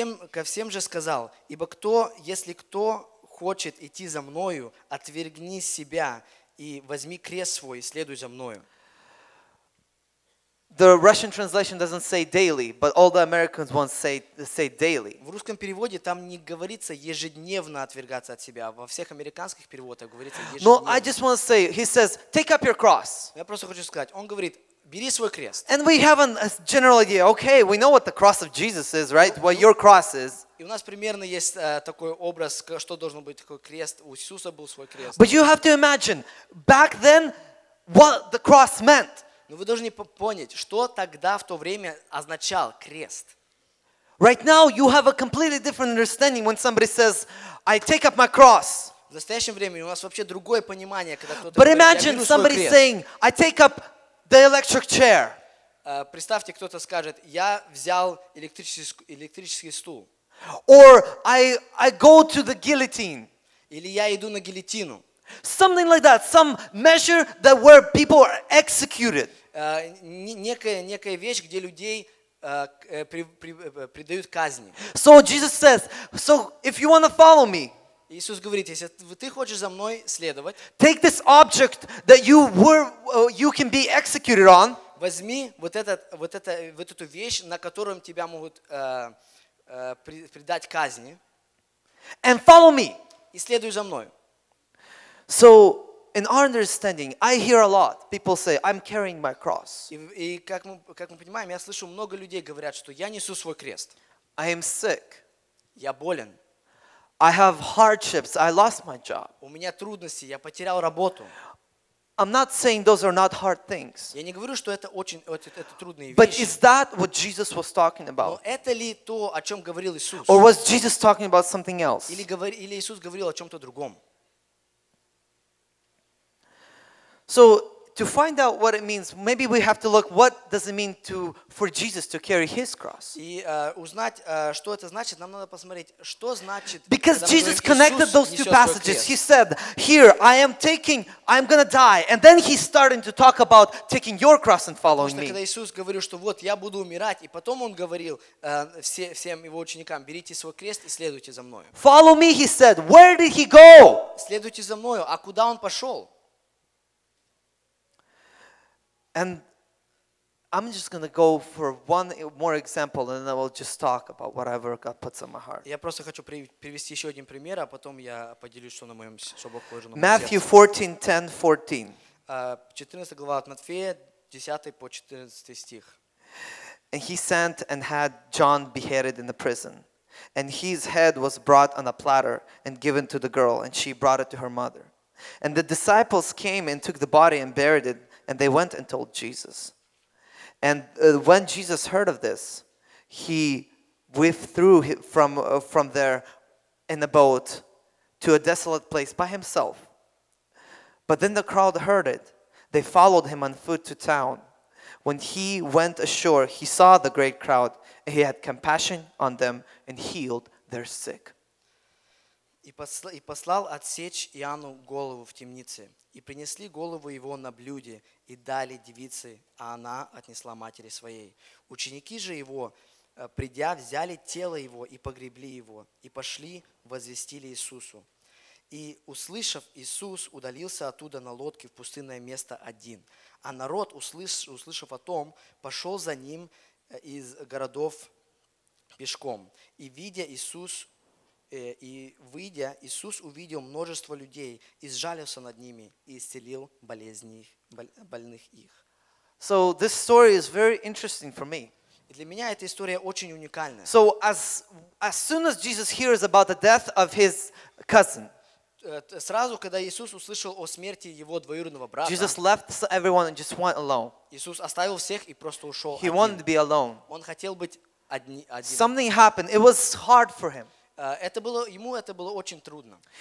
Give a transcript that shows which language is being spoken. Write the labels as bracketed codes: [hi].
[ru] Ко всем же сказал, ибо кто, если кто хочет идти за мною, отвергни себя и возьми крест свой и следуй за мною. [en] The Russian translation doesn't say daily, but all the American ones say daily. [ru] В русском переводе там не говорится ежедневно отвергаться от себя. Во всех американских переводах говорится ежедневно. [en] No, I just want to say, he says, take up your cross. [ru] Я просто хочу сказать, он говорит, бери свой крест. [en] And we have a general idea. Okay, we know what the cross of Jesus is, right? What your cross is. [ru] И у нас примерно есть такой образ, что должен быть такой крест. У Иисуса был свой крест. [en] But you have to imagine back then what the cross meant. [ru] Но вы должны понять, что тогда в то время означал крест. [en] Right now you have a completely different understanding when somebody says, "I take up my cross." [ru] В настоящем времени у нас вообще другое понимание, когда кто-то. [en] But imagine somebody saying, "I take up the electric chair." [ru] Представьте, кто-то скажет, "Я взял электрический стул." [en] Or I go to the guillotine. [ru] Или я иду на гильотину. [en] Something like that, some measure that where people are executed. [ru] Некая вещь, где людей предают казни. [en] So Jesus says, so if you want to follow me, [ru] Иисус говорит, если ты хочешь за мной следовать, [en] take this object that you can be executed on. [ru] Возьми вот эту вещь, на котором тебя могут предать казни. [en] And follow me. [ru] И следуй за мной. [en] So in our understanding, I hear a lot. People say, I'm carrying my cross. [ru] И как мы понимаем, я слышу много людей говорят, что я несу свой крест. [en] I am sick. [ru] Я болен. [en] I have hardships. I lost my job. [ru] У меня трудности. Я потерял работу. [en] I'm not saying those are not hard things. [ru] Я не говорю, что это очень трудные вещи. [en] But is that what Jesus was talking about? [ru] Но это ли то, о чем говорил Иисус? [en] Or was Jesus talking about something else? [ru] Или Иисус говорил о чем-то другом? [en] So to find out what it means, maybe we have to look what does it mean to for Jesus to carry his cross. [ru] И узнать, что это значит, нам надо посмотреть, что значит. [en] Because Jesus connected those two passages. He said, "Here, I am taking, I'm going to die." And then he's starting to talk about taking your cross and following me. [ru] Потому что Иисус говорил, что вот я буду умирать, и потом он говорил всем его ученикам: "Берите свой крест и следуйте за мною." [en] Follow me, he said. Where did he go? [ru] Следуйте за мною. А куда он пошёл? [en] And I'm just going to go for one more example, and then I will just talk about whatever God puts on my heart. [ru] Я просто хочу привести еще один пример, а потом я поделюсь, что на моем сердце. [en] Matthew 14:10-14. [ru] 14 глава от Матфея, 10 по 14 стих. [en] And he sent and had John beheaded in the prison, and his head was brought on a platter and given to the girl, and she brought it to her mother. And the disciples came and took the body and buried it. And they went and told Jesus. And when Jesus heard of this, he withdrew from there in a boat to a desolate place by himself. But then the crowd heard it. They followed him on foot to town. When he went ashore, he saw the great crowd. He had compassion on them and healed their sick. [ru] И послал отсечь Иоанну голову в темнице. И принесли голову его на блюде и дали девице, а она отнесла матери своей. Ученики же его, придя, взяли тело его и погребли его, и пошли, возвестили Иисусу. И, услышав, Иисус удалился оттуда на лодке в пустынное место один. А народ, услышав о том, пошел за ним из городов пешком. И, видя Иисус, и выйдя, Иисус увидел множество людей и сжалился над ними и исцелил больных их. [en] So this story is very interesting for me. [ru] И для меня эта история очень уникальна. [en] So as soon as Jesus hears about the death of his cousin, [ru] сразу когда Иисус услышал о смерти его двоюродного брата, [en] Jesus left everyone and just went alone. [ru] Иисус оставил всех и просто ушел. [en] He wanted to be alone. [ru] Он хотел быть один. [en] Something happened. It was hard for him. [ru] Ему это было очень трудно.